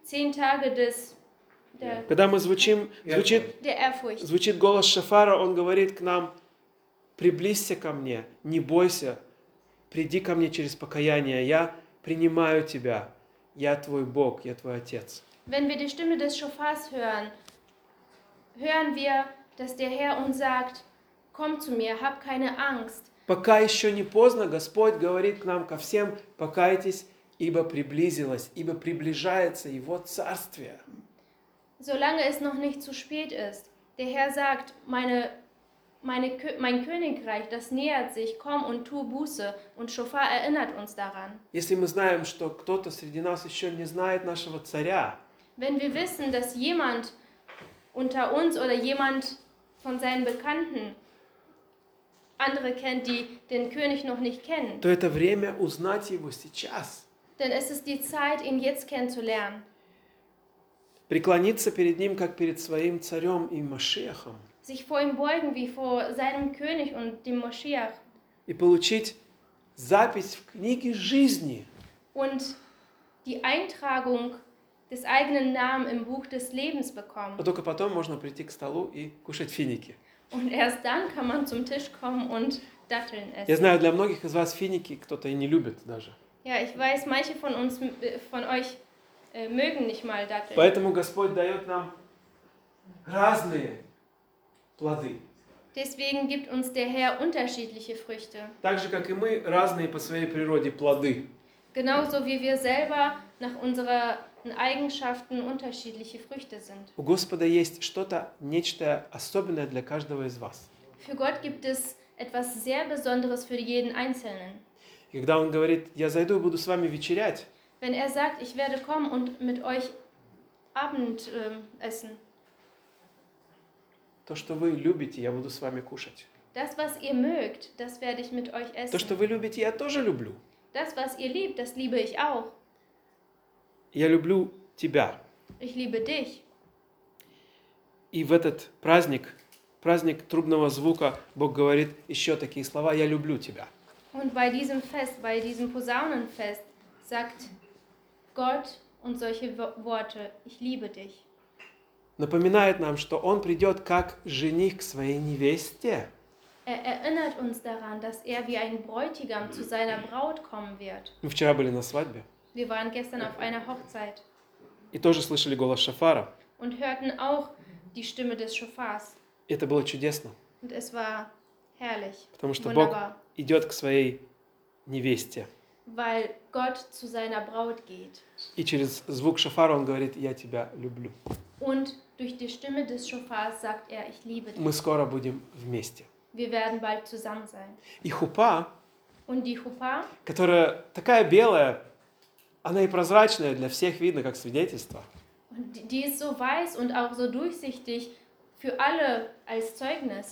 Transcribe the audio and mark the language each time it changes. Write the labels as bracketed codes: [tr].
[de] 10 Tage des... [ru] Когда мы звучим, звучит голос Шафара, он говорит к нам: «Приблизься ко мне, не бойся, приди ко мне через покаяние, я принимаю тебя, я твой Бог, я твой Отец». [de] Wenn wir die Stimme des Schafars hören, hören wir, dass der Herr uns sagt: Komm zu mir, hab keine Angst. [ru] Пока еще не поздно, Господь говорит к нам ко всем: Покайтесь, ибо приблизилось, ибо приближается Его Царствие. [de] Solange es noch nicht zu spät ist, der Herr sagt: mein Königreich, das nähert sich, komm und tu Buße. Und Schafar erinnert uns daran. [ru] Если мы знаем, что кто-то среди нас еще не знает нашего царя. [de] Wenn wir wissen, dass jemand unter uns oder jemand von seinen Bekannten andere kennt, die den König noch nicht kennen, [ru] то это время узнать его сейчас. [de] Denn es ist die Zeit, ihn jetzt kennenzulernen. [ru] Преклониться перед ним, как перед своим царем и Машиахом. [de] Sich vor ihm beugen, wie vor seinem König und dem Moschiach. [ru] И получить запись в книге жизни. [de] Und die Eintragung des eigenen Namens im Buch des Lebens bekommen. [ru] А только потом можно прийти к столу и кушать финики. [de] Und erst dann kann man zum Tisch kommen und Datteln essen. [ru] Я знаю, для многих из вас финики кто-то и не любит даже. [de] Ja, ich weiß, manche von uns, von euch mögen nicht mal Datteln. [ru] Поэтому Господь дает нам разные плоды. [de] Deswegen gibt uns der Herr unterschiedliche Früchte. [ru] Так же, как и мы, разные по своей природе плоды. [de] Genauso wie wir selber nach unserer Eigenschaften unterschiedliche Früchte sind. [ru] У Господа есть что-то, нечто особенное для каждого из вас. [de] Für Gott gibt es etwas sehr Besonderes für jeden Einzelnen. [ru] И когда Он говорит: «Я зайду и буду с вами вечерять», [de] wenn er sagt: «Ich werde kommen und mit euch Abend essen», [ru] то, что вы любите, я буду с вами кушать. [de] Das, was ihr mögt, das werde ich mit euch essen. [ru] То, что вы любите, я тоже люблю. [de] Das, was ihr liebt, das liebe ich auch. [ru] Я люблю тебя. [de] Ich liebe dich. [ru] И в этот праздник, праздник трубного звука, Бог говорит еще такие слова: «Я люблю тебя». [de] Und bei diesem Fest, bei diesem Posaunenfest, sagt Gott und solche Worte: «Ich liebe dich». [ru] Напоминает нам, что Он придет как жених к своей невесте. [de] Er erinnert uns daran, dass er wie ein Bräutigam zu seiner Braut kommen wird. [ru] Мы вчера были на свадьбе. [de] Wir waren gestern auf einer Hochzeit. [ru] И тоже слышали голос Шафара. [de] Und hörten auch die Stimme des Schafars. [ru] Это было чудесно. [de] Und es war herrlich. [ru] Потому что [de] wunderbar. [ru] Бог идет к своей невесте. [de] Weil Gott zu seiner Braut geht. [ru] И через звук Шафара он говорит: «Я тебя люблю». [de] Und durch die Stimme des Schafars sagt er: «Ich liebe dich». [ru] Мы скоро будем вместе. [de] Wir werden bald zusammen sein. [ru] И хупа. [de] Und die Chupa, [ru] которая такая белая, она и прозрачная, для всех видно, как свидетельство. [de] Die ist so weiß und auch so durchsichtig für alle als Zeugnis.